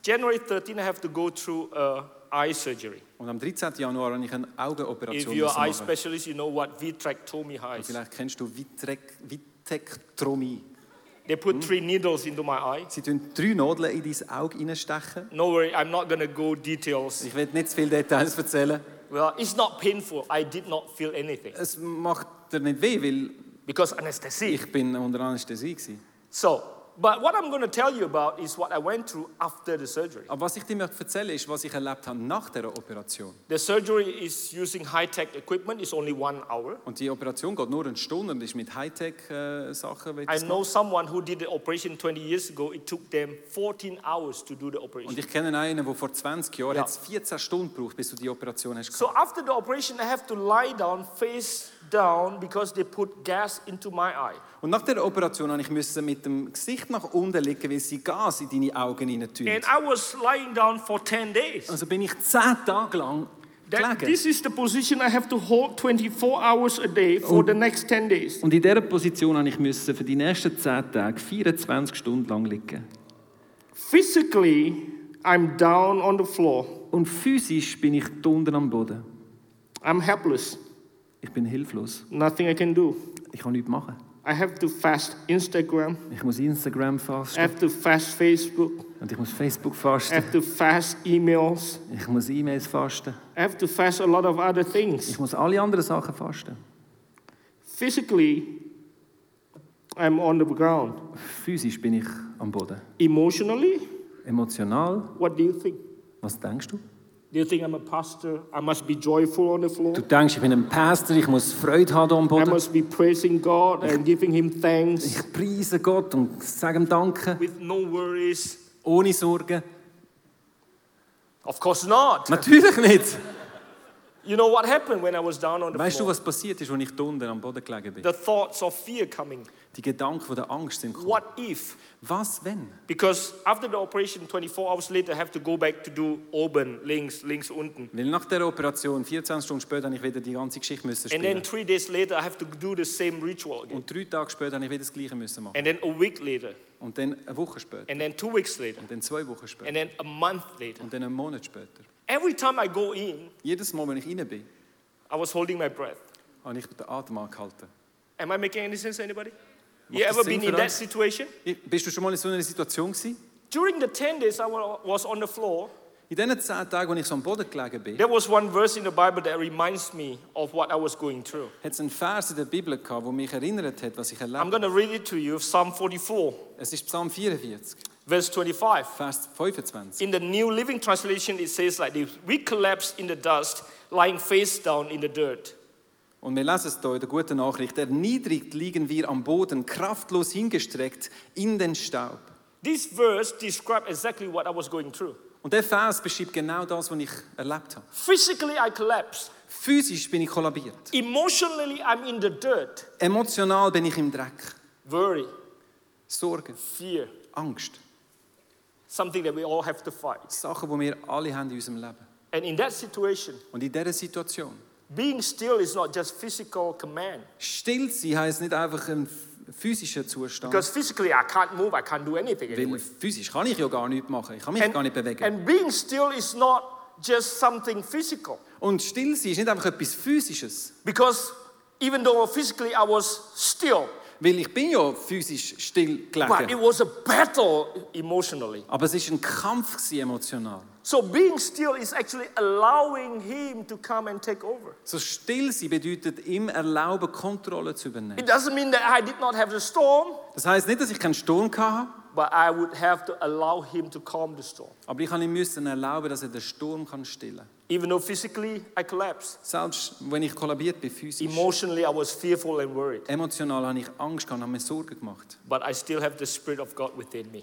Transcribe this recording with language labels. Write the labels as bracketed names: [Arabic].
[English] January 13, I have to go through a eye surgery. [German] Und am 13. Januar habe ich eine Augenoperation machen. [English] If you're an eye specialist, you know what vitrectomy [German] heißt. Und vielleicht kennst du vitrectomie. [English] They put three needles into my eye. [German] Sie tun drei Nadeln in dein Auge reinstechen. [English] No worry, I'm not going to go details. [German] Ich werde nicht zu viele Details erzählen. [English] Well, it's not painful. I did not feel anything. [German] Es macht dir nicht weh, weil [English] because Anästhesie. [German] Ich bin unter Anästhesie gewesen. [English] So, but what I'm going to tell you about is what I went through after the surgery. [German] Aber was ich dir möchte erzählen, ist, was ich erlebt habe nach der Operation. [English] The surgery is using high-tech equipment. It's only 1 hour. [German] Und die Operation geht nur eine Stunde und ist mit high-tech Sachen. [English] I know someone who did the operation 20 years ago. It took them 14 hours to do the operation. [German] Und ich kenne einen, der vor 20 Jahren hat 14 Stunden gebraucht, bis du die Operation hast. [English] So after the operation, I have to lie down, face down, because they put gas into my eye. [German] Und nach der Operation musste ich müssen mit dem Gesicht nach unten liegen, weil sie Gas in deine Augen hineintun. [English] And I was lying down for 10 days. [German] Also bin ich 10 Tage lang gelegen. [English] This is the position I have to hold 24 hours a day for the next 10 days. [German] Und in dieser Position musste ich müssen für die nächsten 10 Tage 24 Stunden lang liegen. [English] Physically, I'm down on the floor. [German] Und physisch bin ich unten am Boden. [English] I'm helpless. [German] Ich bin hilflos. [English] Nothing I can do. [German] Ich kann nichts machen. [English] I have to fast Instagram. [German] Ich muss Instagram fasten. [English] I have to fast Facebook. [German] Und ich muss Facebook fasten. [English] I have to fast emails. [German] Ich muss E-Mails fasten. [English] I have to fast a lot of other things. [German] Ich muss alle anderen Sachen fasten. [English] Physically, I'm on the ground. [German] Physisch bin ich am Boden. [English] Emotionally? [German] Emotional? [English] What do you think? [German] Was denkst du? [English] Do you think I'm a pastor? I must be joyful on the floor. [German] Du denkst, ich bin ein Pastor, ich muss Freude haben am Boden. [English] I must be praising God and giving him thanks. [German] Ich preise Gott und sage ihm Danke. [English] With no worries. [German] Ohne Sorgen. [English] Of course not. [German] Natürlich nicht. [English] You know what happened when I was down on the [German] weißt [English] floor? [German] Weißt du, was passiert ist, als ich unten am Boden gelegen bin? [English] The thoughts of fear coming. [German] Die Gedanken von der Angst sind gekommen. [English] What if? [German] Was wenn? [English] Because after the operation, 24 hours later, I have to go back to do [German] oben, links, links, unten. Weil nach der Operation, 14 Stunden später, habe ich wieder die ganze Geschichte müssen spielen. [English] And then 3 days later, I have to do the same ritual again. [German] Und 3 Tage später, habe ich wieder das Gleiche müssen machen. [English] And then a week later. [German] Und dann eine Woche später. [English] And then 2 weeks later. [German] Und dann 2 Wochen später. [English] And then a month later. [German] Und dann einen Monat später. [English] Every time I go in, [German] jedes Mal, wenn ich rein bin, [English] I was holding my breath. [German] Und ich habe den Atem angehalten. [English] Am I making any sense to anybody? You ever been in that situation? [German] Bist du schon mal in so einer Situation gsi? [English] During the 10 days I was on the floor. [German] In den 10 Tagen, wo ich so am Boden gelegen bin. [English] There was one verse in the Bible that reminds me of what I was going through. [German] Hat's ein Vers in der Bibel gehabt, wo mich erinnert hat, was ich erlebt. [English] I'm going to read it to you, Psalm 44. [German] Es ist Psalm 44. [English] Verse 25. [German] Vers 25. [English] In the New Living Translation it says like this: we collapse in the dust, lying face down in the dirt. [German] Und wir lesen es hier in der guten Nachricht. Erniedrigt liegen wir am Boden, kraftlos hingestreckt in den Staub. [English] This verse describes exactly what I was going through. [German] Und der Vers beschreibt genau das, was ich erlebt habe. [English] Physically I collapsed. [German] Physisch bin ich kollabiert. [English] Emotionally I'm in the dirt. [German] Emotional bin ich im Dreck. [English] Worry. [German] Sorgen. [English] Fear. [German] Angst. [English] Something that we all have to fight. [German] Sachen, die wir alle haben in unserem Leben. [English] And in that situation. [German] Und in dieser Situation. [English] Being still is not just physical command. [German] Still sein heißt nicht einfach ein physischer Zustand. [English] Because physically I can't move, I can't do anything. [German] Weil physisch kann ich ja gar nichts machen. Ich kann mich gar nicht bewegen. [English] And being still is not just something physical. [German] Und still sein ist nicht einfach etwas Physisches. [English] Because even though physically I was still. [German] Weil ich bin ja physisch still gelegen. [English] But it was a battle emotionally. [German] Aber es ist ein Kampf gewesen, emotional. [English] So being still is actually allowing him to come and take over. [German] So still sein bedeutet ihm erlauben, Kontrolle zu übernehmen. [English] It doesn't mean that I did not have the storm. [German] Das heißt nicht, dass ich keinen Sturm hatte. [English] But I would have to allow him to calm the storm. [German] Aber ich habe ihm müssen erlauben, dass er den Sturm kann stillen. [English] Even though physically I collapsed. [German] Selbst wenn ich kollabiert bin physisch. [English] Emotionally I was fearful and worried. [German] Emotional habe ich Angst gehabt, habe mir Sorgen gemacht. [English] But I still have the Spirit of God within me.